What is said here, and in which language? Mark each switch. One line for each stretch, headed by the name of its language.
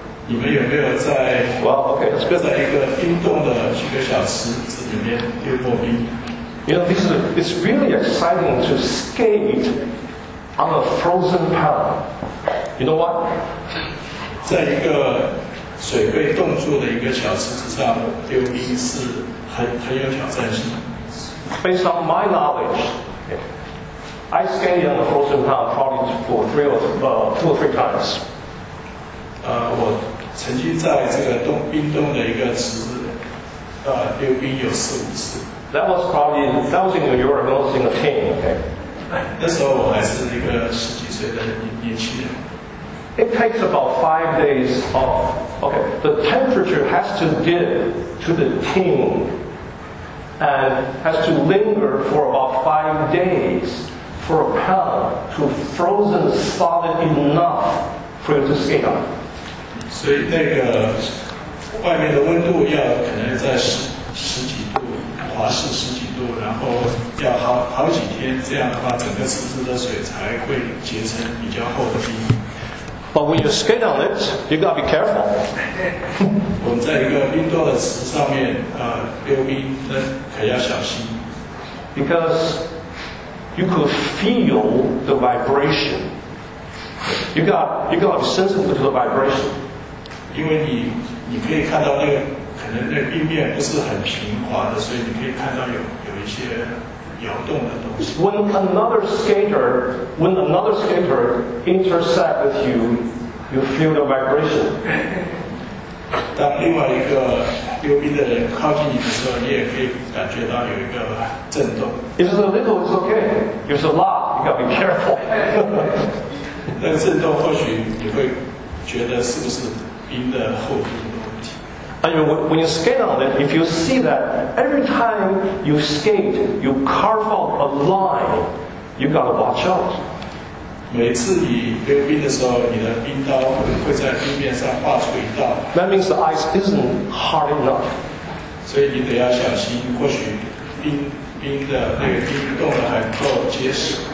Chinese: 你们有没有在 在一个冰冻的几个小时里面溜过冰？
English: You know, it's really exciting to skate on a frozen pond. You know what?
Chinese: 在一个水被冻住的一个小池子上溜冰是很有挑战性。
English: Based on my knowledge, I skated on a frozen pond probably for two or three times.
Chinese: 我曾经在这个冰冻的一个池子，溜冰有4-5次。
English: That was in New York, I was in a team. Okay.
Chinese: 那时候我还是一个十几岁的年轻人。
English: It takes about 5 days of, okay, the temperature has to dip to the teen and has to linger for about 5 days for a pound to frozen solid enough for you to skate on.
Chinese: 所以那个外面的温度要可能在十几度华氏十几度然后要 好几天这样的话整个池子的水才会结成比较厚的冰。
English: But when you skate on it, you gotta be careful.
Chinese: 我们在一个冰多的池上面，溜冰呢，可要小心。
English: Because you could feel the vibration. You gotta be sensitive to the vibration.
Chinese: 因为你可以看到那个可能那冰面不是很平滑的，所以你可以看到有一些。
English: When another skater intersects with you, you feel the vibration.
Chinese: 当另外一个溜冰的人靠近你的时候，你也可以感觉到有一个震动。
English: If it's a little, it's okay. If it's a lot, you gotta be careful.
Chinese: 那个震动或许你会觉得是不是冰的厚度。
English: And when you skate on it, if you see that every time you skate, you carve out a line, you gotta watch out.
Chinese: 每次你溜冰的时候，你的冰刀会在冰面上画出一道。
English: That means the ice isn't hard enough.
Chinese: 所以你得要小心，或许冰的那个冰冻得还不够结实。